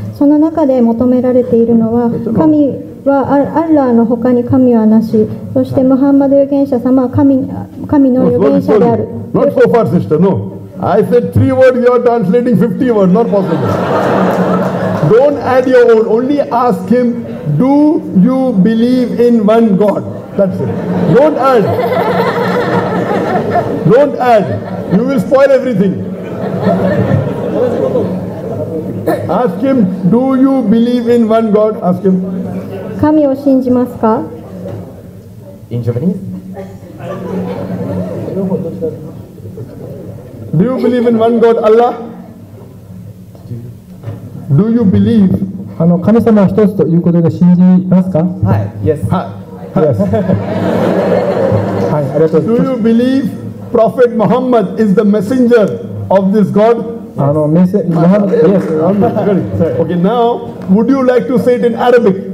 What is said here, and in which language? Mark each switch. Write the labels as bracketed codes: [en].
[ja] その中で求められているのは神はアッラーの他に神はなし、そしてムハンマド預言者様は神の預言者である。 [en] Not so far, sister. No. I said three words, you are translating 50 words. Not possible. Don't add your own. Only ask him, do you believe in one God? That's it. Don't add. You will spoil everything. Ask him, do you believe in one God? Ask him. [ja] 神を信じますか? [en] In Japanese? Do you believe in one God, Allah? Do you believe? [ja] 神様は一つということで信じますか? [en] Hi. Yes. Hi. Yes. Do you believe Prophet Muhammad is the messenger of this God? Yes. Yes. Okay, now would you like to say it in Arabic?